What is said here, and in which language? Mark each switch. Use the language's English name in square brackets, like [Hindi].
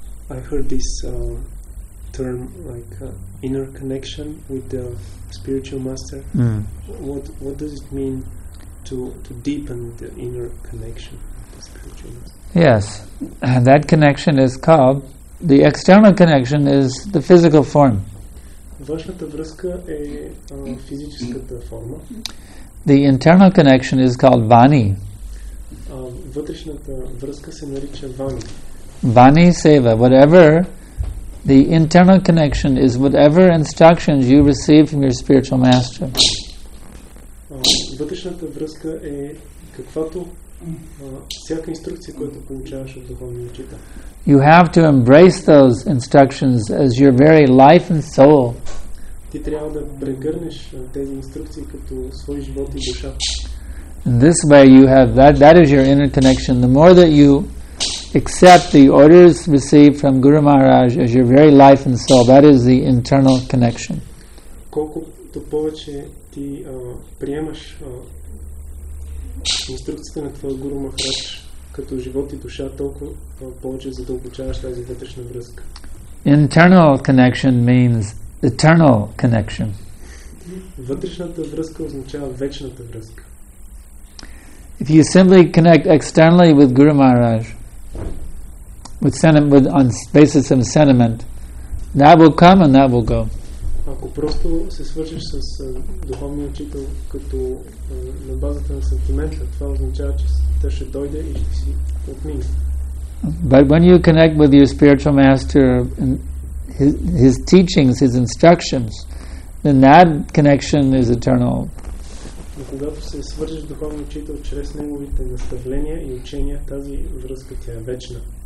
[English] I heard this term like inner connection with the spiritual master. Mm. What does it mean to deepen the inner connection with the spiritual master? Yes, and that connection is called, the external connection is the physical form. [Bulgarian] Вашата връзка е физическата форма. [English] The internal connection is called vani. [Bulgarian] Вътрешната връзка се нарича vani. [English] Vani seva, whatever the internal connection is, whatever instructions you receive from your spiritual master. [Bulgarian] Вътрешната връзка е каквато всяка инструкция, която получаваш от духовния учител. [English] You have to embrace those instructions as your very life and soul. [Bulgarian] Ти трябва да прегърнеш тези инструкции като свой живот и душа. [English] In this way you have that is your inner connection. The more that you accept the orders received from Guru Maharaj as your very life and soul, that is the internal connection. [Bulgarian] Колкото повече ти приемаш инструкциите на твоя Гуру Махарадж като живот и душа, толкова повече задълбочаваш тази вътрешна връзка. [English] Internal connection means eternal connection. [Bulgarian] Вътрешната връзка означава вечната връзка. [English] If you simply connect externally with Guru Maharaj, with on basis of sentiment, that will come and that will go. [Bulgarian] Ако просто се свържеш с духовния учител като на базата на сантимента, това означава, че те ще дойде и ще си отмине. [English] But when you connect with your spiritual master and his teachings, his instructions, then that connection is eternal. [Bulgarian] Но когато се свържеш духовния учител чрез неговите наставления и учения, тази връзка тя е вечна.